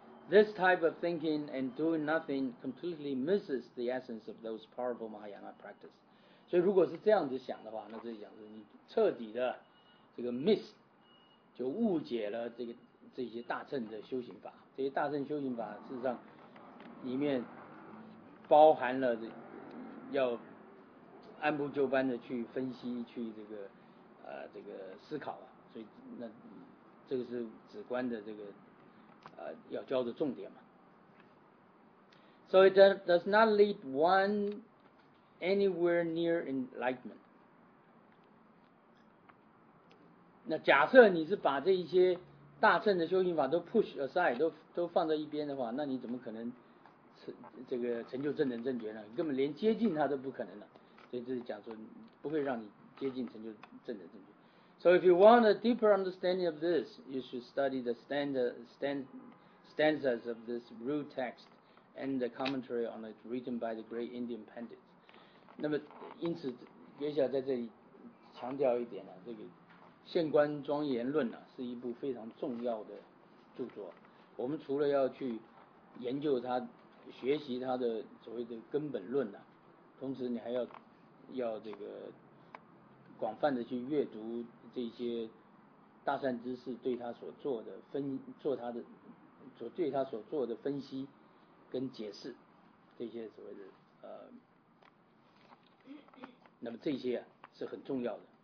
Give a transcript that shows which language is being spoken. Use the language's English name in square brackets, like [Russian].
[English] This type of thinking and doing nothing completely misses the essence of those powerful Mahayana practice. [Chinese] 所以如果是这样子想的话，那这里讲是你彻底的这个 miss 就误解了这些大乘的修行法。这些大乘修行法事实上里面包含了这要按部就班的去分析，去这个思考啊。所以那这个是止观的这个要教的重点嘛。 [English] So it does not lead one anywhere near enlightenment. [Chinese] 那假设你是把这一些大乘的修行法都 [English] push aside [Chinese] 都放在一边的话，那你怎么可能这个成就正等正觉呢？你根本连接近它都不可能了。所以这是讲说不会让你接近成就正等正觉。 [English] So if you want a deeper understanding of this, you should study the stanzas of this root text and the commentary on it written by the great Indian pandit. [Chinese] 那么因此也想在这里强调一点，这个现观庄严论是一部非常重要的著作。我们除了要去研究它学习它的所谓的根本论同时你还要这个广泛的去阅读这些大善知识对他所做的分做他的所对他所做的分析跟解释，这些所谓的那么这些啊是很重要的。